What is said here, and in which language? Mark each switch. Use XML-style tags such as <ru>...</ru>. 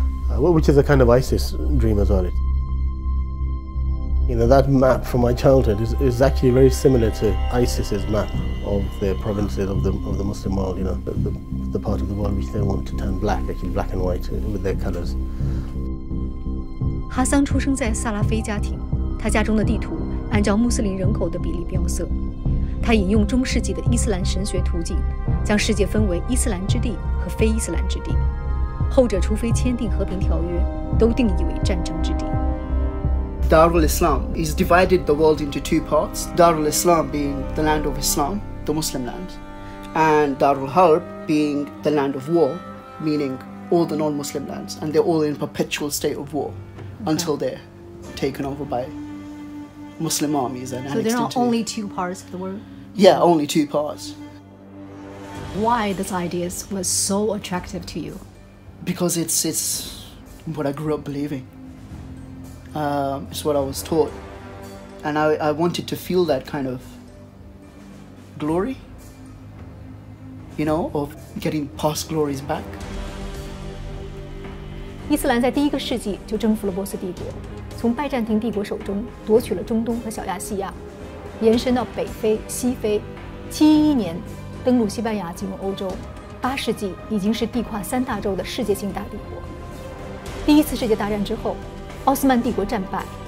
<en>Which is a kind of ISIS dream as well. You know, that map from my childhood is actually very similar to ISIS's map of the provinces of the Muslim world, you know, the part of the world which they want to turn black, actually black and white with their colors.</en> <zh>Hassan 出生在萨拉菲家庭，他家中的地图按照穆斯林人口的比例标色。他引用中世纪的伊斯兰神学图景，将世界分为伊斯兰之地和非伊斯兰之地。后者除非签订和平条约，都定义为战争之地。</zh> <en>Darul Islam is divided the world into two parts. Darul Islam being the land of Islam, the Muslim land, and Darul Harb being the land of war, meaning all the non-Muslim lands, and they're all in perpetual state of war until they're taken over by Muslim armies and annexed. So there are only two parts of the world. Yeah, only two parts. Why this idea was so attractive to you? Because it's what I grew up believing. It's what I was taught. And I wanted to feel that kind of glory, you know, of getting past glories back.</en> <zh>伊斯兰在第一个世纪就征服了波斯帝国，从拜占庭帝国手中夺取了中东和小亚细亚，延伸到北非、西非。 711年登陆西班牙进入欧洲。8世纪已经是地跨三大洲的世界性大帝国。第一次世界大战之后，奥斯曼帝国战败，</zh>